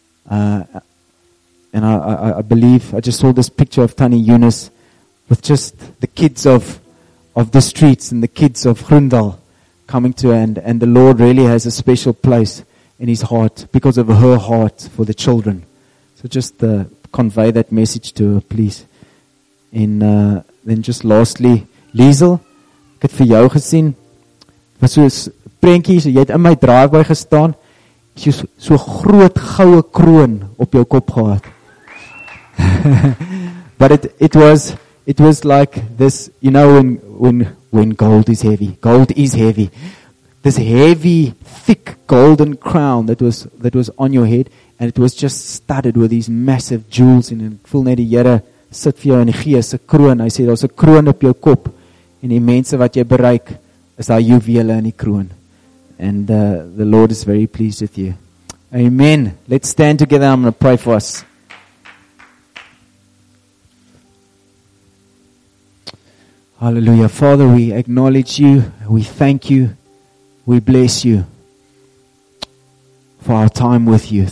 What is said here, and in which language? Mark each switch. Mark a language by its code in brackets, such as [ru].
[en] And I believe I just saw this picture of Tani Yunus with just the kids of the streets and the kids of Groendal coming to her, and the Lord really has a special place in his heart because of her heart for the children. So just convey that message to her, please. And then just lastly, [af] Liesel, ek het vir jou gesien. Was soos prentjies, jy het in my draagwy gestaan. Jy so groot goue kroon op jou kop gehad. [en] But it was like this, you know, when gold is heavy. Gold is heavy. This heavy, thick golden crown that was on your head, and it was just studded with these massive jewels, and [af] ek voel net die Here sit vir jou in die gees se kroon. Hy sê daar's 'n kroon op jou kop, en die mense wat jy bereik is daai juwele in die kroon. [en] And the Lord is very pleased with you. Amen. Let's stand together. I'm going to pray for us. Hallelujah. Father, we acknowledge you. We thank you. We bless you for our time with you.